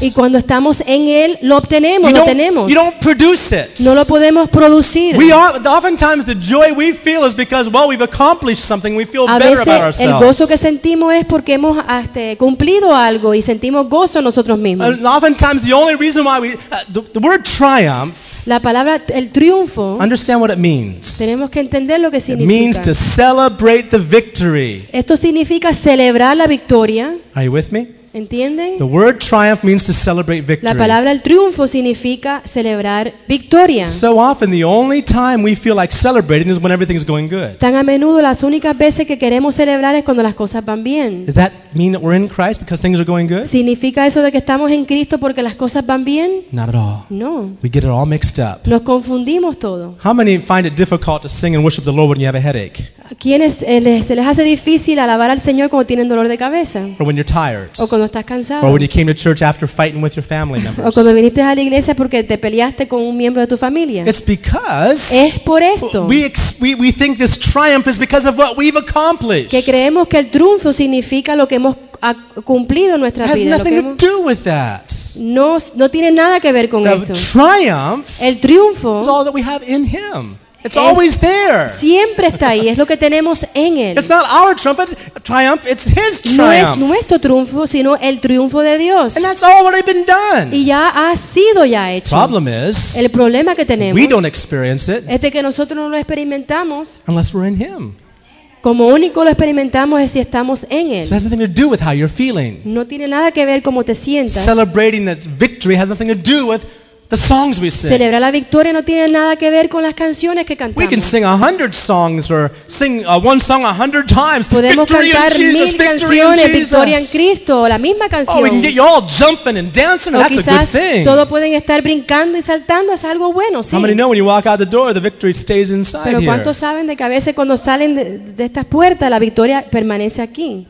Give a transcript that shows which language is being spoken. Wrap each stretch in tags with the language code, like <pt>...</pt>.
<es>Y cuando estamos en Él, lo obtenemos, lo tenemos.</es> <en>You don't produce it.</en> <es>No lo podemos producir.</es> <en>We are, oftentimes the joy we feel is because, well, we've accomplished something. We feel a better about ourselves.</en> <es>El gozo que sentimos es porque hemos cumplido algo y sentimos gozo nosotros mismos.</es> <en>And oftentimes the only reason why we, the word triumph,</en> <es>la palabra el triunfo,</es> <en>understand what it means.</en> <es>Tenemos que entender lo que significa.</es> <en>It means to celebrate the victory.</en> <es>Esto significa celebrar la victoria.</es> <en>Are you with me?</en> <es>¿Entienden?</es> <en>The word triumph means to celebrate victory.</en> <es>La palabra el triunfo significa celebrar victoria.</es> <en>So often the only time we feel like celebrating is when everything is going good.</en> <es>Tan a menudo las únicas veces que queremos celebrar es cuando las cosas van bien.</es> <en>Does that mean that we're in Christ because things are going good?</en> <es>¿Significa eso de que estamos en Cristo porque las cosas van bien?</es> <en>Not at all.</en> <es>No.</es> <en>We get it all mixed up.</en> <es>Nos confundimos todo.</es> <en>How many find it difficult to sing and worship the Lord when you have a headache?</en> <es>¿Quiénes se les hace difícil alabar al Señor cuando tienen dolor de cabeza?</es> <en>Or when you're tired.</en> <es>O cuando estás cansado.</es> <en>Or when you came to church after fighting with your family members.</en> <es>O cuando viniste a la iglesia porque te peleaste con un miembro de tu familia.</es> <en>It's because</en> <es>es por esto.</es> <en>We think this triumph is because of what we've accomplished.</en> <es>Que creemos que el triunfo significa lo que hemos cumplido en nuestra vida.</es> <en>Has nothing to do with that.</en> <es>No tiene nada que ver con esto.</es> <en>Triumph.</en> <es>El triunfo</es> <en>is all that we have in Him. It's always there.</en> <es>Siempre está ahí, es lo que tenemos en él.</es> <en>It's not our triumph, it's his triumph.</en> <es>No es nuestro triunfo, sino el triunfo de Dios.</es> <en>And that's already been done.</en> <es>Y ya ha sido ya hecho.</es> <en>Problem is,</en> <es>el problema que tenemos,</es> <en>we don't experience it.</en> <es>Es de que nosotros no lo experimentamos.</es> <en>Unless we're in him.</en> <es>Como único lo experimentamos es si estamos en él.</es> <en>So it has nothing to do with how you're feeling.</en> <es>No tiene nada que ver cómo te sientas.</es> <en>Celebrating that victory has nothing to do with the songs we sing.</en> <es>Celebrar la victoria no tiene nada que ver con las canciones que cantamos.</es> <en>We can sing 100 songs or sing one song 100 times.</en> <es>Podemos</es> <en>victory</en> <es>cantar</es> <en>in Jesus,</en> <es>mil canciones, victoria en Cristo, la misma canción.</es> <en>Oh, we can get you all jumping and dancing, and</en> <es>o</es> <en>that's</en> <es>quizás</es> <en>a good thing.</en> <es>Todos pueden estar brincando y saltando, es algo bueno, sí.</es> <en>How many know when you walk out the door, the victory stays inside here?</en> <es>Pero ¿cuántos</es> <en>here?</en> <es>Saben de que a veces cuando salen de estas puertas, la victoria permanece aquí?</es>